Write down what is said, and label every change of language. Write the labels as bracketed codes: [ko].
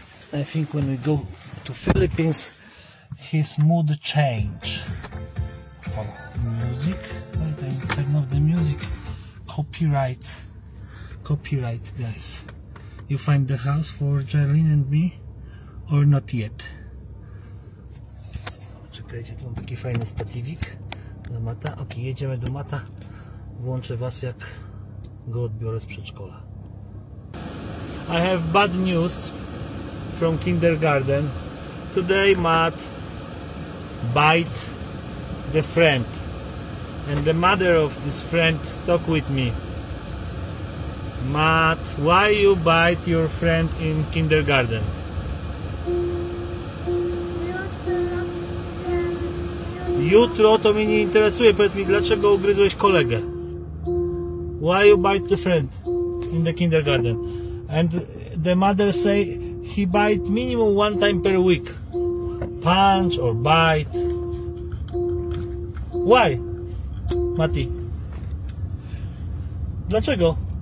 [en] I think when we go to Philippines, his mood change. Oh, music? Wait, I turn off the music. Copyright. Copyright, guys. You find the house for Jarlene and me? Or not yet? [pl] Czekajcie, tu mam taki fajny statywik do mata. Ok, jedziemy do mata. Włączę was, jak go odbiorę z przedszkola. [en] I have bad news from kindergarten. Today Matt bite the friend. And the mother of this friend talk with me. Matt, why you bite your friend in kindergarten? [pl] Jutro to mnie nie interesuje. Powiedz mi, dlaczego ugryzłeś kolegę? [en] Why you bite the friend in the kindergarten? And the mother say he bite minimum one time per week. Punch or bite. Why? Mati? [pl] Dlaczego?